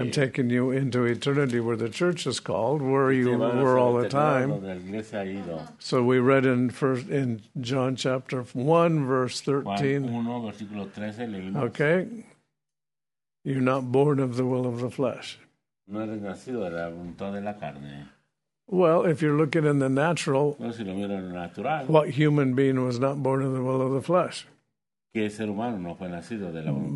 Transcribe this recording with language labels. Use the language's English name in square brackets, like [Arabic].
[English] I'm taking you into eternity where the church is called, where you were all the time. So we read in John chapter 1, verse 13. [Spanish] Juan 1, versículo 13, leímos, [English] okay. You're not born of the will of the flesh. [Spanish] No eres nacido de la voluntad de la carne. [English] Well, if you're looking in the natural, [Spanish] no, si lo miro en lo natural, [English] what human being was not born of the will of the flesh? [Spanish] Que el ser humano no fue nacido de la voluntad.